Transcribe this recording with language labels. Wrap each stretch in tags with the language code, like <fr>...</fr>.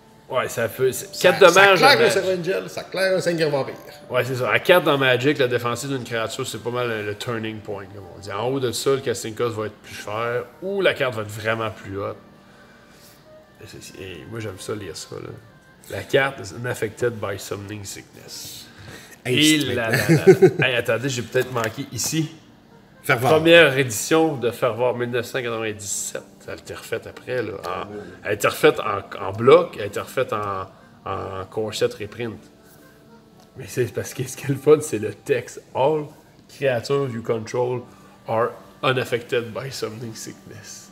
<fr>Ouais, ça fait. 4 dommages. Ça claire un Seven Angel, ça claire un Seigneur Vampire. Ouais, c'est ça. À 4 dans Magic, la défensive d'une créature, c'est pas mal le turning point, comme on dit. En haut de ça, le casting cost va être plus cher, ou la carte va être vraiment plus haute. Et moi, j'aime ça lire ça, là.</fr> <en>La carte is unaffected by summoning sickness.</en> <fr>Hey, attendez, j'ai peut-être manqué ici. Fervor. Première édition de Fervor 1997. Elle était refaite après. Là, elle était refaite en bloc, elle était refaite en corset reprint. Mais c'est parce que ce qui est le fun, c'est le texte.</fr> <en>All creatures you control are unaffected by summoning sickness.</en>